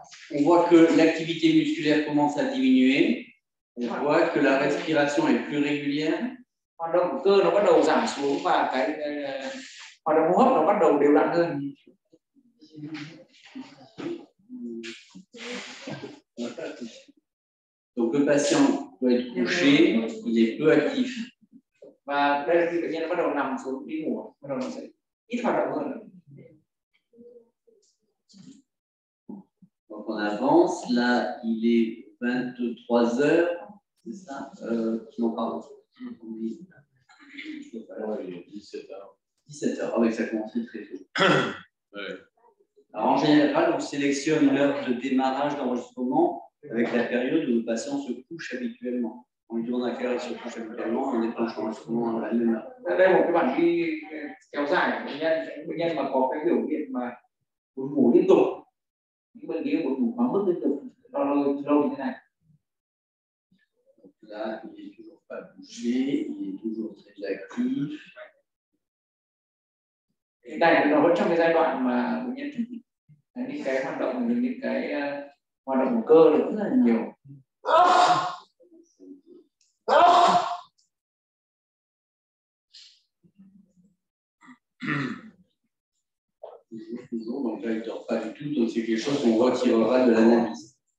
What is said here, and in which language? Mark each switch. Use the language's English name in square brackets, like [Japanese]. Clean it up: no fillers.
[French] On voit que l'activité musculaire commence à diminuer. On voit que la respiration est plus régulière. [Vietnamese] Hoạt động cơ nó bắt đầu giảm xuống và cái hoạt động hô hấp nó bắt đầu đều đặn hơn. [French] Donc le patient doit être couché, il est peu actif. [Vietnamese] Và đây là khi bệnh nhân bắt đầu nằm xuống đi ngủ, bắt đầu nó sẽ ít hoạt động hơn. [French] Donc on avance, là il est 23h, c'est ça? Non, pardon. 17h, oh, ça commence très tôt. Alors en général, on sélectionne l'heure de démarrage d'enregistrement avec la période où le patient se couche habituellement. On lui demande à quelle heure il se couche habituellement, on déclenche l'enregistrement à la même heure. [Vietnamese] Là đây là một cái bản ghi kéo dài, bệnh nhân mà có cái biểu hiện mà buồn ngủ liên tục, những bệnh lý buồn ngủ quá mức liên tục lâu như thế này. [French] Là il est toujours pas bougé, il est toujours très actif. [Vietnamese] Hiện tại nó vẫn trong cái giai đoạn mà bệnh nhân chuẩn bị những cái hoạt động, những cái hoạt động của cơ rất là nhiều. [French] Toujours, donc là il dort pas du tout, donc c'est quelque chose qu'on retirera de l'analyse.